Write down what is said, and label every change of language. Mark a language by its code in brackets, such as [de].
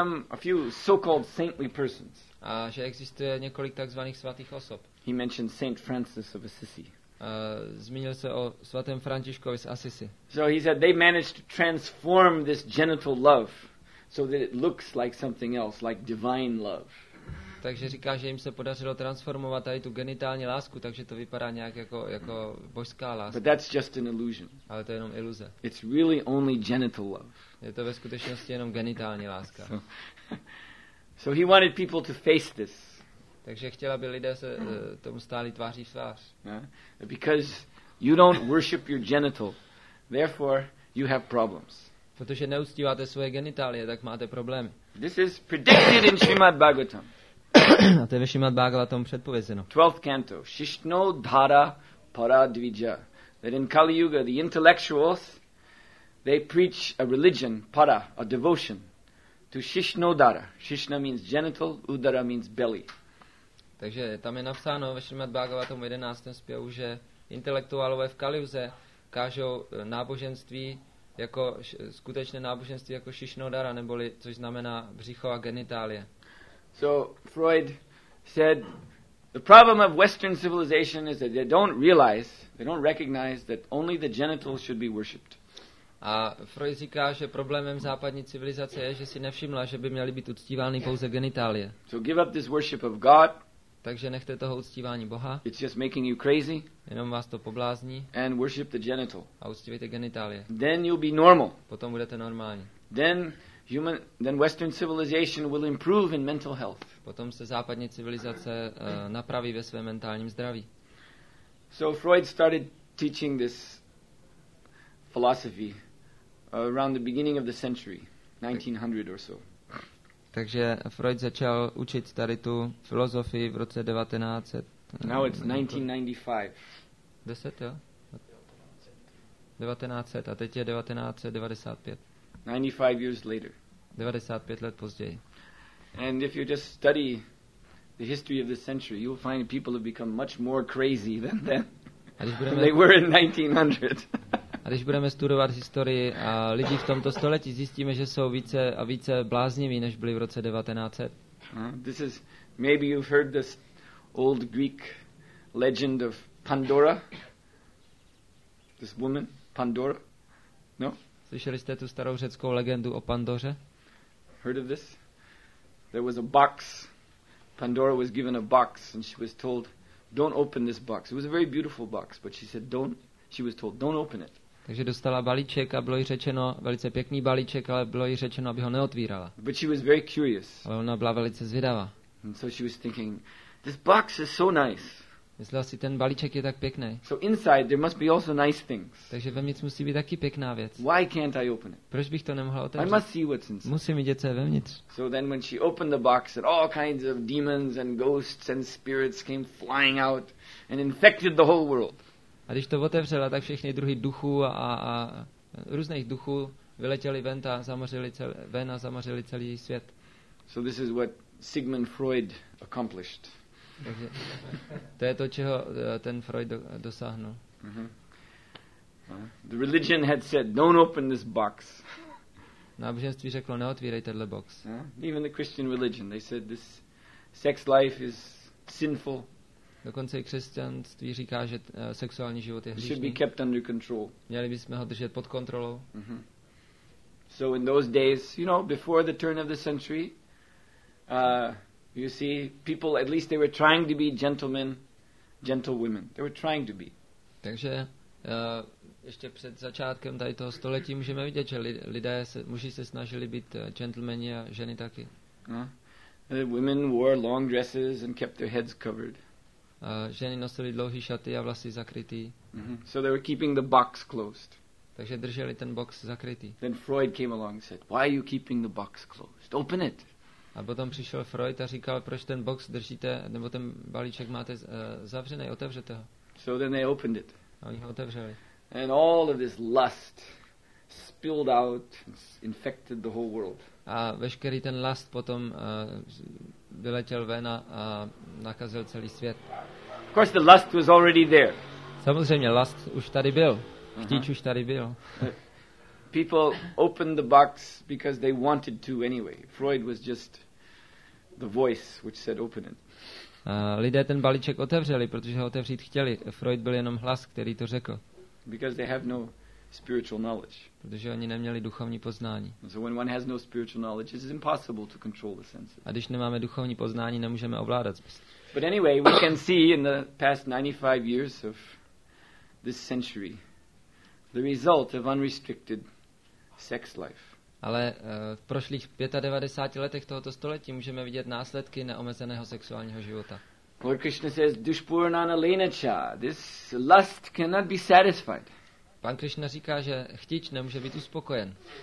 [en] A few so-called saintly persons. [cs] A že existuje několik takzvaných svatých osob. [en] He mentioned Saint Francis of Assisi. [cs] Zmínil se o svatém Františkovi z Assisi. [en] So he said they managed to transform this genital love so that it looks like something else, like divine love. [cs] Takže říká, že jim se podařilo transformovat tady tu genitální lásku, takže to vypadá nějak jako božská láska. [en] But that's just an illusion. [cs] Ale to je jenom iluze. [en] It's really only genital love. [cs] Je to ve skutečnosti jenom genitální láska. [en] So he wanted people to face this. [cs] Takže chtěl, aby lidé se tomu stáli tváří v tvář. [en] Yeah? Because you don't worship your genital, therefore you have problems. [cs] Protože neuctíváte svoje genitálie, tak máte problémy. [en] This is predicted in Srimad Bhagavatam. [cs] A to je ve Srimad Bhagavatam předpovězeno. [en] 12th canto, Shishno Dhara Para Dvija. That in Kali Yuga, the intellectuals, they preach a religion, para, a devotion, to Shishno Dhara. Shishna means genital, Udara means belly. [cs] Takže tam je napsáno ve Srimad Bhagavatam 11. zpěvu, že intelektuálové v Kaliuze kážou náboženství jako skutečné náboženství jako Shishno Dhara, neboli což znamená břicho a genitálie. [en] So Freud said the problem of Western civilization is that they don't recognize that only the genitals should be worshipped. [cs] A Freud říká, že problémem západní civilizace je, že si nevšimla, že by měly být uctívány pouze genitálie. [en] So give up this worship of God. [cs] Takže nechte toho uctívání Boha. [en] It's just making you crazy. [cs] Jenom vás to poblázní. [en] And worship the genital. [cs] A uctívejte genitálie. [en] Then you'll be normal. [cs] Potom budete normální. [en] Then Western civilization will improve in mental health. [cs] Potom se západní civilizace napraví ve svém mentálním zdraví. [en] So Freud started teaching this philosophy around the beginning of the century, 1900 or so. [cs] Takže Freud začal učit tady tu filozofii v roce 1900. [en] Now it's 1995. [cs] 10, jo? 1900 a teď je 1995. [en] 95 years later. [cs] 95 let později. [en] And if you just study the history of this century, you will find people have become much more crazy than then. They were in 1900. [cs] A když budeme studovat historii a lidi v tomto století, zjistíme, že jsou více a více blázniví, než byli v roce 1900. [en] This is maybe you've heard this old Greek legend of Pandora. This woman, Pandora. No? [cs] Slyšeli jste tu starou řeckou legendu o Pandoře? [en] Heard of this? There was a box. Pandora was given a box and she was told, don't open this box. It was a very beautiful box, but she said, she was told, don't open it. [cs] Takže dostala balíček a bylo jí řečeno, velice pěkný balíček, ale bylo jí řečeno, aby ho neotvírala. [en] But she was very curious. [cs] Ale ona byla velice zvědavá. [en] And so she was thinking, this box is so nice. [cs] Myslel si, ten balíček je tak pěkný. [en] So inside there must be also nice things. [cs] Takže vevnitř musí být taky pěkná věc. [en] Why can't I open it? [cs] Proč bych to nemohla otevřít? [en] I must see what's inside. [cs] Musím vidět, co je vevnitř. [en] So then when she opened the box and all kinds of demons and ghosts and spirits came flying out and infected the whole world. [cs] A když to otevřela, tak všechny druhy duchů a různých duchů vyletěli ven a zamořili celý svět. [en] So this is what Sigmund Freud accomplished. [cs] Takže to je to, čeho ten Freud dosáhnul. [en] The religion had said, don't open this box. [cs] Náboženství řeklo, neotvírej tenhle box. [en] Even the Christian religion, they said this sex life is sinful. [cs] Dokonce i křesťanství říká, že sexuální život je hříšný. [en] Should be kept under control. [cs] Měli bychom ho držet pod kontrolou. [en] So in those days, you know, before the turn of the century, you see, people at least they were trying to be gentlemen, gentle women. They were trying to be. [cs] Takže ještě před začátkem tady toho století můžeme vidět, že lidé muži se snažili být gentlemani a ženy taky. [en] The women wore long dresses and kept their heads covered. [cs] Ženy nosily dlouhé šaty a vlasy zakrytý. [en] So they were keeping the box closed. [cs] Takže drželi ten box zakrytý. [en] Then Freud came along and said, "Why are you keeping the box closed? Open it." [cs] A potom přišel Freud a říkal, proč ten box držíte, nebo ten balíček máte zavřený, otevřete ho. [en] So then they opened it. [cs] A oni ho otevřeli. [en] And all of this lust spilled out and infected the whole world. [cs] A veškerý ten lust potom vyletěl ven a nakazil celý svět. [en] Of course the lust was already there. [cs] Samozřejmě lust už tady byl. Chtíč už tady byl. [en] People opened the box because they wanted to anyway. Freud was just the voice which said open it. [cs] Lidé ten balíček otevřeli, protože ho otevřít chtěli. Freud byl jenom hlas, který to řekl. [en] Because they have no spiritual knowledge. [cs] Protože oni neměli duchovní poznání. [en] So when one has no spiritual knowledge, it is impossible to control the senses. [cs] A když nemáme duchovní poznání, nemůžeme ovládat smysl. [en] But anyway, we can see in the past 95 years of this century the result of unrestricted sex life. [cs] Ale v prošlých 95 letech tohoto století můžeme vidět následky neomezeného sexuálního života. [en] Lord Krishna says, [sa] "Dushpurnana lenacha, [en] this lust cannot be satisfied." [cs] Pan Krishna říká, že chtíč nemůže být uspokojen.